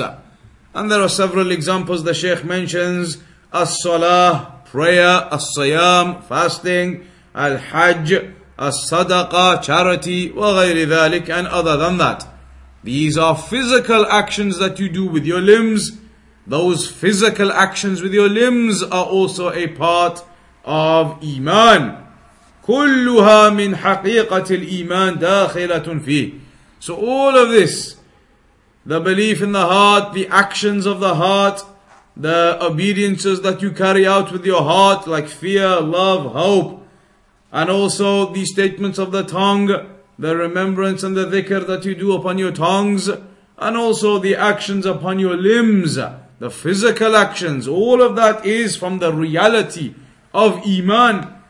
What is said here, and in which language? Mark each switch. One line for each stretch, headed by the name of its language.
English: And there are several examples the Shaykh mentions: As-Salah, prayer; As-Siyam, fasting; Al-Hajj, As-Sadaqah, charity;
Arabic: وغير ذلك,
English: and other than that. These are physical actions that you do with your limbs. Those physical actions with your limbs are also a part of Iman.
Arabic: كلها من حقيقة الإيمان داخلة فيه.
English: So all of this, the belief in the heart, the actions of the heart, the obediences that you carry out with your heart, like fear, love, hope, and also the statements of the tongue, the remembrance and the dhikr that you do upon your tongues, and also the actions upon your limbs, the physical actions, all of that is from the reality of Iman.